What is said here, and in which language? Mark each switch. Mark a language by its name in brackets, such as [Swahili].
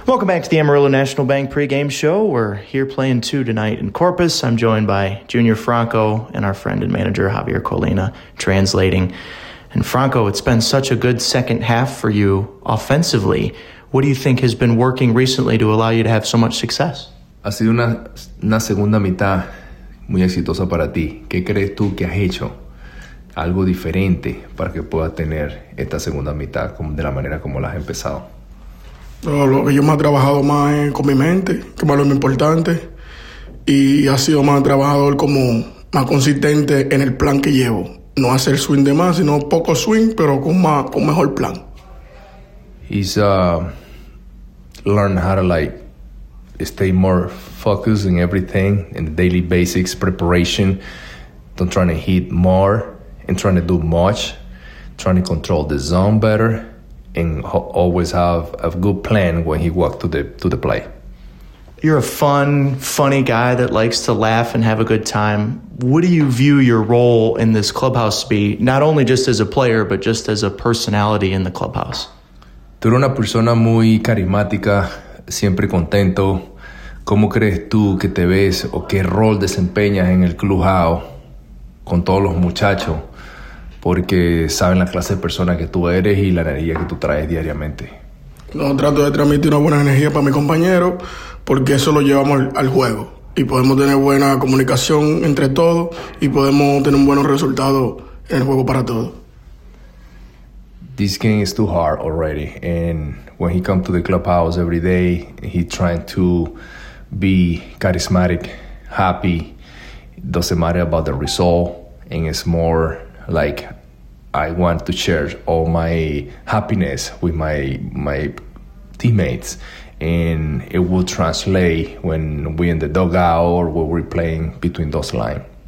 [English] Welcome back to the Amarillo National Bank pregame show. We're here playing two tonight in Corpus. I'm joined by Junior Franco and our friend and manager, Javier Colina, translating. And Franco, it's been such a good second half for you offensively. What do you think has been working recently to allow you to have so much success? [Spanish] Ha sido una segunda mitad muy exitosa para ti. ¿Qué crees tú que has hecho algo diferente para que puedas tener esta segunda mitad de la manera como la has empezado? Lo que yo más he trabajado más es con mi mente, que más es lo importante, y ha sido más trabajador, como más consistente en el plan que llevo. No hacer swing de más, sino poco swing, pero con mejor plan. [English] He's learned how to like stay more focused in everything, in the daily basics, preparation, don't trying to hit more and trying to do much, trying to control the zone better, and always have a good plan when he walks to the play. You're a fun, funny guy that likes to laugh and have a good time. What do you view your role in this clubhouse to be, not only just as a player, but just as a personality in the clubhouse? [Spanish] Tú eres una persona muy carismática, siempre contento. ¿Cómo crees tú que te ves o qué rol desempeñas en el clubhouse con todos los muchachos? Porque saben la clase de persona que tú eres y la energía que tú traes diariamente. No, trato de transmitir una buena energía para mi compañero, porque eso lo llevamos al juego. Y podemos tener buena comunicación entre todos y podemos tener un buen resultado en el juego para todos. [English] This game is too hard already. And when he comes to the clubhouse every day, he's trying to be charismatic, happy. Doesn't matter about the result, and it's more like I want to share all my happiness with my teammates, and it will translate when we're in the dugout or when we're playing between those lines.